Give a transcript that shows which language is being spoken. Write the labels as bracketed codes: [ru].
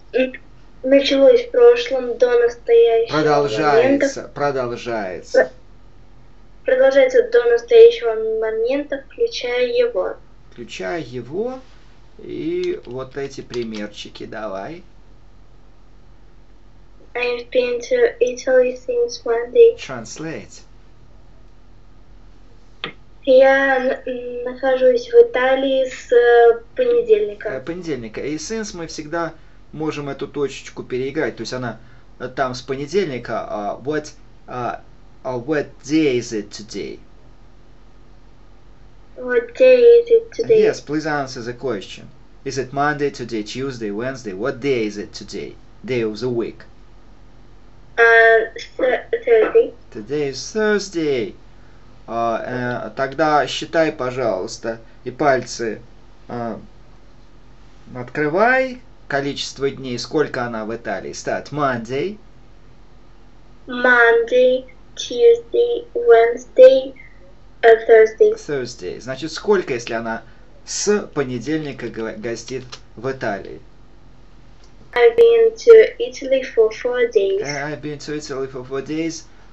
[ru] в прошлом до настоящего. Продолжается до настоящего момента, включая его. Включая его. И вот эти примерчики, давай. [en] I've been to Italy since Monday. Translate. [ru] Я нахожусь в Италии с понедельника. Понедельника. И since мы всегда можем эту точечку переиграть. То есть она там с понедельника. [en] What day is it today? What day is it today? Yes, please answer the question. Is it Monday today, Tuesday, Wednesday? What day is it today? Day of the week? Thursday. Today is Thursday. [ru] Тогда считай, пожалуйста, и пальцы открывай количество дней, сколько она в Италии. [en] Start Monday. Monday, Tuesday, Wednesday, Thursday. Thursday. [ru] Значит, сколько, если она... С понедельника гостит в Италии. [en] I've been to Italy for 4 days. I've been to Italy for 4 days.